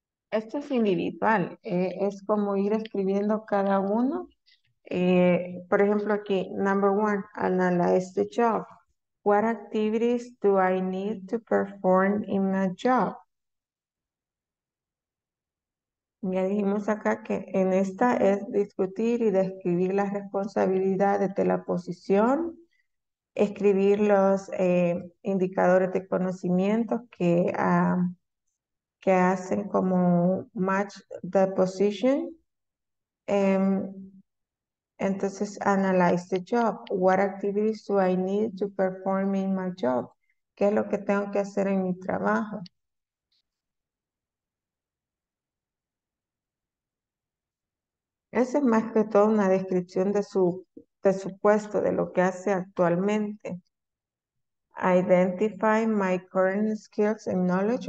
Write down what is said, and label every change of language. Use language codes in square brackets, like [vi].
[es] Esto es individual, es como ir escribiendo cada uno. Por ejemplo, aquí, [en] number one, analyze the job. What activities do I need to perform in my job? [es] Ya dijimos acá que en esta es discutir y describir las responsabilidades de la posición, escribir los indicadores de conocimiento que hacen como [en] match the position. [es] Entonces, [en] analyze the job. What activities do I need to perform in my job? [es] ¿Qué es lo que tengo que hacer en mi trabajo? Esa es más que todo una descripción de su puesto, de lo que hace actualmente. [en] Identify my current skills and knowledge.